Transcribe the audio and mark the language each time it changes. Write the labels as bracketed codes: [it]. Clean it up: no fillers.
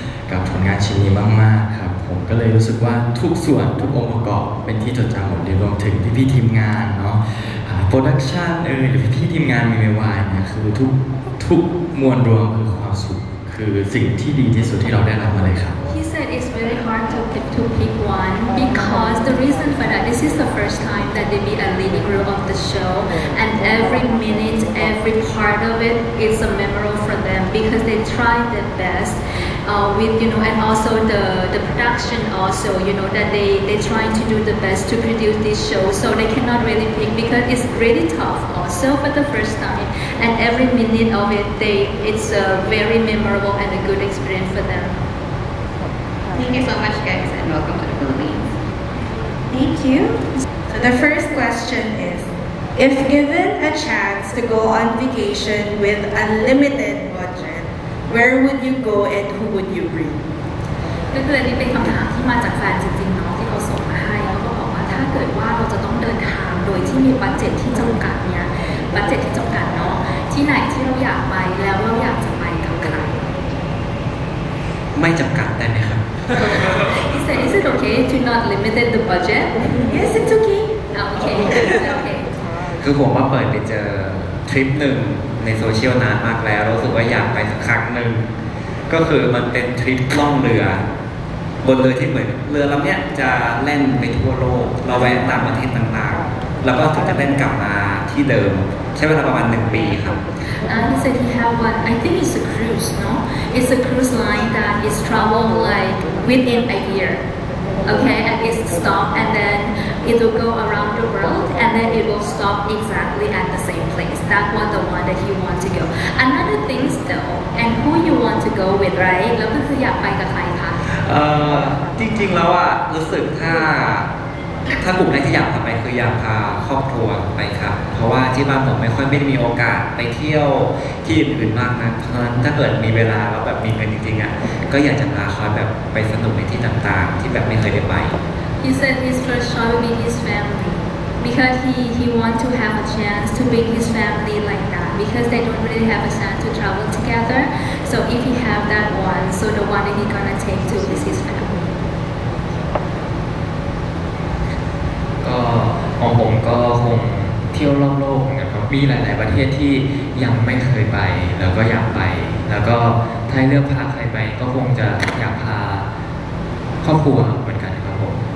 [th] กับผลงานชิ้นนี้มากๆครับผมก็เลยรู้สึกว่าทุกส่วนทุกองค์ประกอบเป็นที่จดจำหมดเลยรวมถึงพี่ๆทีมงานเนาะโปรดักชันเอ่ยหรือพี่ๆทีมงานมีไม่ว่าเนี่ยคือทุกมวลรวมคือความสุขคือสิ่งที่ดีที่สุดที่เราได้รับมาเลยครับ [en] He said it's very hard to pick one because the reason for that is this is the first time that they be a leading role of the show, and every minute, every part of it is a memorable for them because they tried their best with, you know, and also the production also, you know, that they trying to do the best to produce this show, so they cannot really pick because it's really tough also for the first time, and every minute of it, it's a very memorable and a good experience for them. Thank you so much, guys, and welcome to the Philippines. Thank you. So the first question is, if given a chance to go on vacation with unlimited budget, where would you go and who would you bring? [th] ก็คืออันนี้เป็นคำถามที่มาจากแฟนจริงๆเนาะที่เขาส่งมาให้เขาบอกว่าถ้าเกิดว่าเราจะต้องเดินทางโดยที่มีบัดเจ็ตที่จำกัดเนี่ยบัดเจ็ตที่จำกัดเนาะที่ไหนที่เราอยากไปแล้วเราอยากจะไปกับใคร ไม่จำกัดได้ไหมครับ [en] He said, "Is it okay to not limit the budget?" Yes, it's okay. Oh, okay, it's okay. [th] คือผมว่าเปิดไปเจอทริปหนึ่งในโซเชียลนานมากแล้วรู้สึกว่าอยากไปสักครั้งหนึ่งก็คือมันเป็นทริปล่องเรือบนเรือที่เหมือนเรือลำเนี้ยจะแล่นไปทั่วโลกเราแวะตามประเทศต่างๆแล้วก็ถึงจะแล่นกลับมาที่เดิมใช้เวลาประมาณ1ปีครับ [en] He said he have one. I think it's a cruise. No, it's a cruise line that is travel like within a year. Okay, and it stop and then it will go around the world and then it will stop exactly at the same place. That was the one that he want to go. Another thing though, and who you want to go with, right? [th] แล้วก็คืออยากไปกับใครคะ จริงๆแล้วอ่ะรู้สึกถ้ากลุ่มแรกที่อยากไปคืออยากพาครอบครัวไปครับเพราะว่าที่บ้านผมไม่ค่อยไม่ได้มีโอกาสไปเที่ยวที่อื่นมากนักเพราะฉะนั้นถ้าเกิดมีเวลาแล้วแบบมีเงินจริงๆอ่ะก็อยากจะพาเขาแบบไปสนุกในที่ต่างๆที่แบบไม่เคยได้ไป [en] He said his first choice would be his family because he want to have a chance to bring his family like that because they don't really have a chance to travel together so if he have that one so the one that he gonna take to is his family. [th] ของผมก็คงเที่ยวรอบโลกนะครับมีหลายๆประเทศที่ยังไม่เคยไปแล้วก็อยากไปแล้วก็ถ้าเลือกพาใครไปก็คงจะอยากพาครอบครัวเหมือนกันครับผม